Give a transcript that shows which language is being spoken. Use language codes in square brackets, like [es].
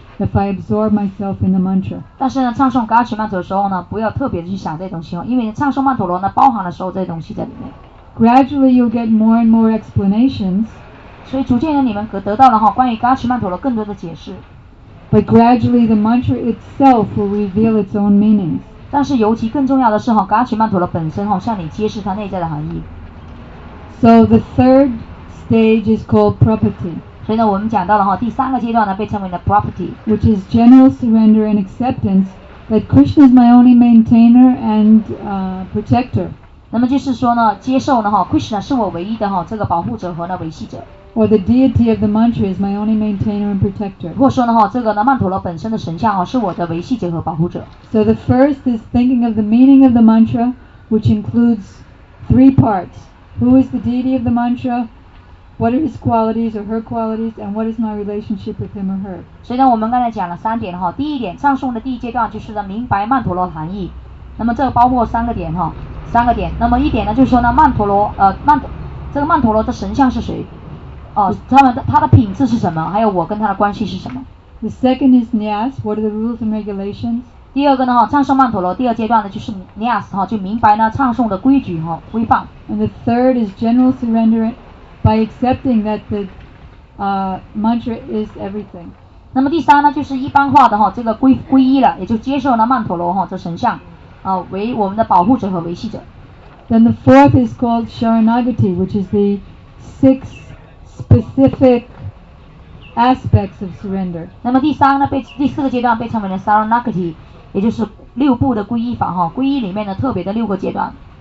[en] If I absorb myself in the mantra. [zh] 但是呢，唱诵噶尔什曼陀的时候呢，不要特别去想这东西哦，因为唱诵曼陀罗呢，包含的时候这东西在里面。 [en] Gradually, you'll get more and more explanations. [zh] 所以逐渐的，你们得到了哈关于噶尔什曼陀罗更多的解释。 [en] But gradually, the mantra itself will reveal its own meanings. [zh] 但是尤其更重要的是哈，噶尔什曼陀罗本身哈向你揭示它内在的含义。 [en] So the third stage is called property. [zh] 所以呢，我们讲到了哈，第三个阶段呢，被称为的 property， [en] which is general surrender and acceptance that Krishna is my only maintainer and protector。 [zh] 那么就是说呢，接受呢哈 ，Krishna 是我唯一的哈这个保护者和呢维系者。 [en] Or the deity of the mantra is my only maintainer and protector。 [zh] 或说呢哈，这个呢曼陀罗本身的神像哈是我的维系者和保护者。 [en] So the first is thinking of the meaning of the mantra, which includes three parts: who is the deity of the mantra? What are his qualities or her qualities, and what is my relationship with him or her? [zh] 所以呢，我们刚才讲了三点哈。第一点，唱诵的第一阶段就是呢，明白曼陀罗含义。那么这个包括三个点哈，三个点。那么一点呢，就是说呢，曼陀罗这个曼陀罗的神像是谁？他的品质是什么？还有我跟他的关系是什么 [en] ？The second is Nyas. What are the rules and regulations? [zh] 第二个呢哈，唱诵曼陀罗第二阶段呢就是 Nyas 哈，就明白呢唱诵的规矩哈规范。 [en] And the third is general surrender. By accepting that the mantra is everything. [zh] 那么第三呢，就是一般化的哈，这个皈依了，也就接受了曼陀罗哈这神像，为我们的保护者和维系者。 [en] Then the fourth is called Sharanagati, which is the six specific aspects of surrender. [zh] 那么第三呢，第四个阶段被称为了 Sharanagati, 也就是六步的皈依法哈，皈依里面的特别的六个阶段。